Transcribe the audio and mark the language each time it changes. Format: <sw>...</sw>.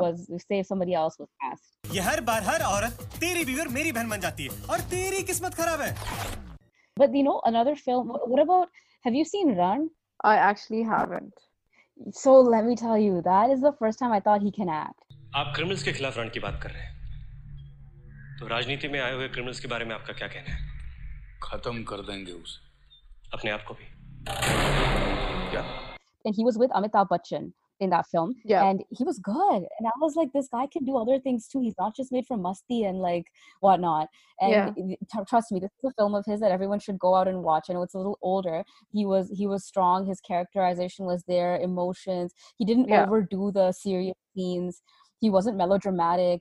<en>If he was, say, if somebody else was cast. But you know, another film, what about, have you seen Ran? I actually haven't. So let me tell you, that is the first time I thought he can act.</en> <hi>आप criminals के खिलाफ रण की बात कर रहे हैं तो राजनीति में आए हुए क्रिमिनल्स के बारे में आपका क्या कहना है खत्म कर देंगे उसे अपने आप को भी</hi> <en>and he was with Amitabh Bachchan in that film and he was good and I was like this guy can do other things too he's not just made for musty and like whatnot and trust me this is a film of his that everyone should go out and watch I know it's a little older he was strong his characterization was there emotions he didn't overdo the serious scenes He wasn't melodramatic.</en>